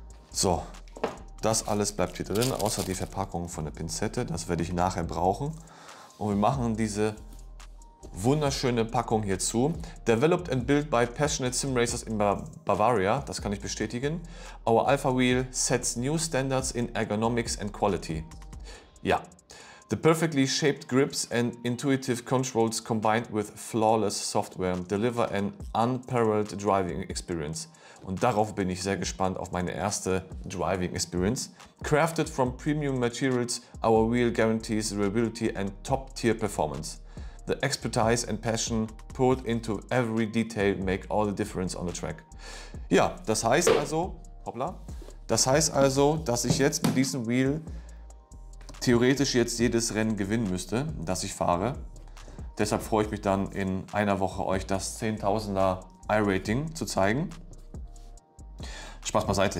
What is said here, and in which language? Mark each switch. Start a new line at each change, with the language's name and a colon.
German: So, das alles bleibt hier drin, außer die Verpackung von der Pinzette. Das werde ich nachher brauchen. Und wir machen diese wunderschöne Packung hier zu.
English: Developed and built by passionate simracers in Bavaria.
German: Das kann ich bestätigen.
English: Our Alpha Wheel sets new standards in ergonomics and quality.
German: Ja,
English: The perfectly shaped grips and intuitive controls combined with flawless software deliver an unparalleled driving experience.
German: Und darauf bin ich sehr gespannt, auf meine erste
English: driving experience. Crafted from premium materials, our wheel guarantees reliability and top tier performance. The expertise and passion put into every detail make all the difference on the track.
German: Ja, das heißt also, hoppla, das heißt also, dass ich jetzt mit diesem Wheel theoretisch jetzt jedes Rennen gewinnen müsste, das ich fahre. Deshalb freue ich mich dann in einer Woche euch das 10.000er i-Rating zu zeigen. Spaß beiseite.